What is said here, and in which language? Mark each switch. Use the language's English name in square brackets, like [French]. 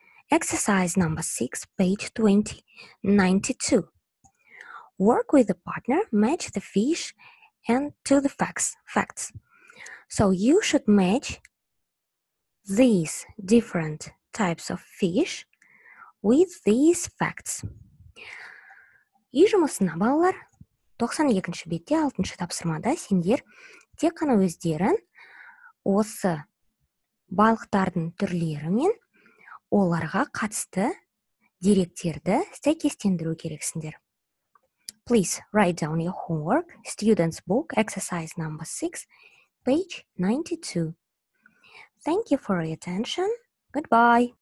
[English] Exercise number 6, page 20, 92. Work with a partner, match the fish and to the facts. So you should match these different types of fish with these facts. [Kazakh] Үй жұмысына балалар 92-ші бетте 6-ші тапсырмада сендер тек қана өздерін осы балықтардың түрлерімен оларға қатысты деректерді сәйкестендіру керексіндер. [English] Please write down your homework, student's book, exercise number 6, page 92. Thank you for your attention. Goodbye.